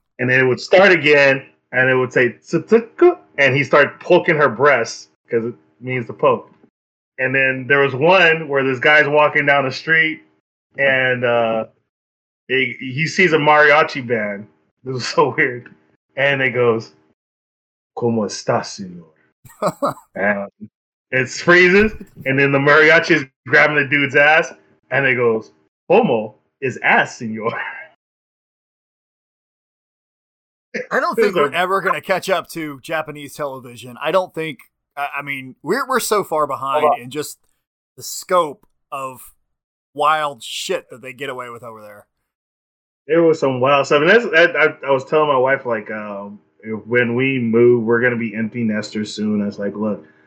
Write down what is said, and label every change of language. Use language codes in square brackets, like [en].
[en] And then it would start again, and it would say, and he started poking her breasts, because it means to poke. And then there was one where this guy's walking down the street, and, he sees a mariachi band. This is so weird. And it goes, [es] ¿Cómo estás, señor? [en] And it freezes. And then the mariachi is grabbing the dude's ass. And it goes, [es] ¿Cómo es [en] ass, [es] señor? [en] I don't think we're ever going to catch up to Japanese television. I don't think, I mean, we're so far behind in just the scope of wild shit that they get away with over there. There was some wild stuff. I was telling my wife, like, when we move, we're going to be empty nesters soon. I was like, look.